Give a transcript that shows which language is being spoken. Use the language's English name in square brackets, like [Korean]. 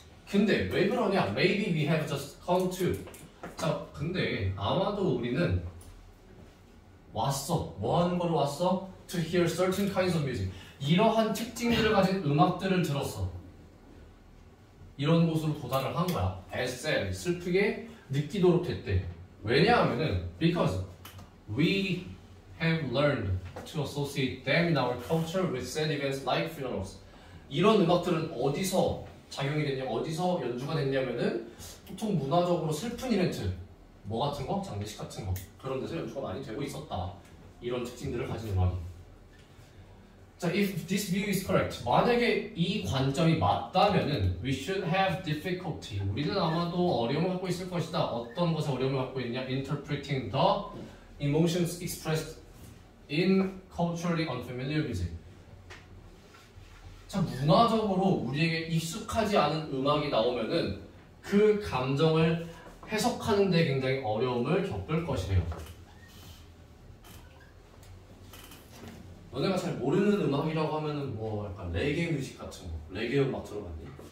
[Korean] 근데 왜 그러냐? [English] Maybe we have just come to. [Korean] 자 근데 아마도 우리는 왔어. 뭐 하는 걸로 왔어? [English] To hear certain kinds of music. [Korean] 이러한 특징들을 가진 음악들을 들었어. 이런 곳으로 도달을 한 거야. SL 슬프게 느끼도록 됐대. 왜냐하면은 [English] because we have learned to associate them in our culture with sad events like funerals. [Korean] 이런 음악들은 어디서 작용이 됐냐, 어디서 연주가 됐냐면은 보통 문화적으로 슬픈 이벤트 뭐 같은 거? 장례식 같은 거 그런 데서 연주가 많이 되고 있었다. 이런 특징들을 가진 음악이. [English] 자, if this view is correct, [Korean] 만약에 이 관점이 맞다면은 [English] we should have difficulty. [Korean] 우리는 아마도 어려움을 갖고 있을 것이다. 어떤 것에 어려움을 갖고 있냐? [English] Interpreting the emotions expressed in culturally unfamiliar music. [Korean] 자, 문화적으로 우리에게 익숙하지 않은 음악이 나오면은 그 감정을 해석하는 데 굉장히 어려움을 겪을 것이에요. 너네가 잘 모르는 음악이라고 하면은 뭐 약간 레게 뮤직 같은 거, 레게 음악 들어봤니?